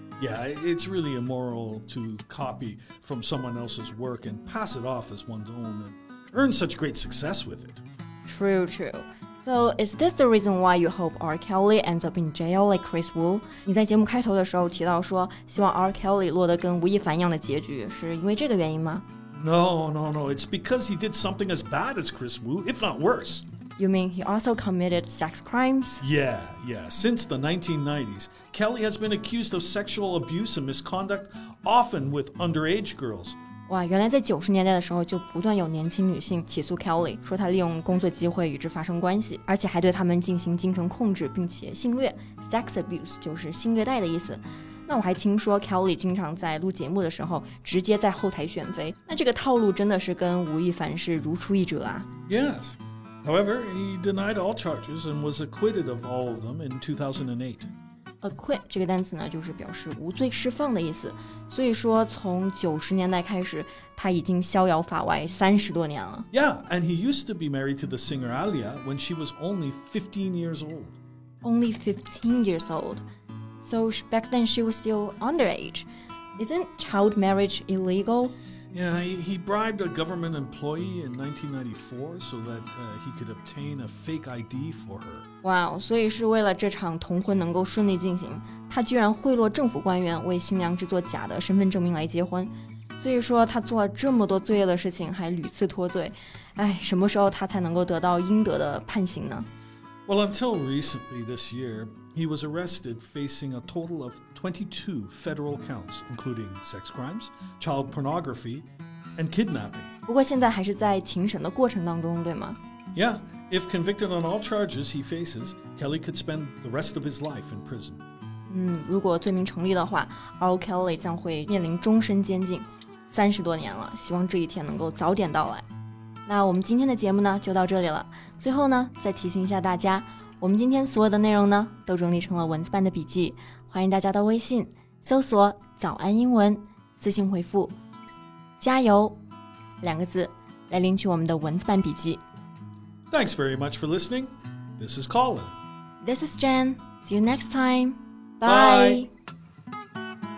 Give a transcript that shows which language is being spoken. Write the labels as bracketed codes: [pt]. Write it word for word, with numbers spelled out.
[en] Yeah, it's really immoral to copy from someone else's work and pass it off as one's own and earn such great success with it. True, true. So is this the reason why you hope R. Kelly ends up in jail like Chris Wu? [zh] 你在节目开头的时候提到说，希望 R. Kelly 落得跟吴亦凡一样的结局，是因为这个原因吗？ [en] No, no, no. It's because he did something as bad as Chris Wu, if not worse. You mean he also committed sex crimes? Yeah, yeah. Since the nineteen nineties, Kelly has been accused of sexual abuse and misconduct, often with underage girls. [zh] 哇，原来在九十年代的时候就不断有年轻女性起诉 Kelly 说她利用工作机会与之发生关系而且还对她们进行精神控制并且性虐 Sex abuse 就是性虐待的意思那我还听说 Kelly 经常在录节目的时候直接在后台选妃那这个套路真的是跟吴亦凡是如出一辙啊 [en] Yes, however, he denied all charges and was acquitted of all of them in two thousand eight [zh] Acquit 这个单词呢就是表示无罪释放的意思所以说从九十年代开始他已经逍遥法外三十多年了 [en] Yeah, and he used to be married to the singer Alia when she was only fifteen years old Only fifteen years old So back then she was still underage Isn't child marriage illegal? Yeah, he, he bribed a government employee in nineteen ninety-four so that、uh, he could obtain a fake I D for her. [zh] Wow, 所以是为了这场同婚能够顺利进行，他居然贿赂政府官员为新娘制作假的身份证明来结婚。所以说他做了这么多罪恶的事情，还屡次脱罪。哎，什么时候他才能够得到应得的判刑呢？ [en] Well, until recently this year, he was arrested facing a total of twenty-two federal counts, including sex crimes, child pornography, and kidnapping. [zh] 不过现在还是在庭审的过程当中，对吗？ [en] Yeah, if convicted on all charges he faces, Kelly could spend the rest of his life in prison. [zh] 嗯，如果罪名成立的话 ，R. Kelly 将会面临终身监禁，三十多年了，希望这一天能够早点到来。那我们今天的节目呢就到这里了最后呢再提醒一下大家我们今天所有的内容呢都整理成了文字版的笔记欢迎大家到微信搜索早安英文私信回复加油两个字来领取我们的文字版笔记 [en] Thanks very much for listening. This is Colin. This is Jen. See you next time. Bye. Bye.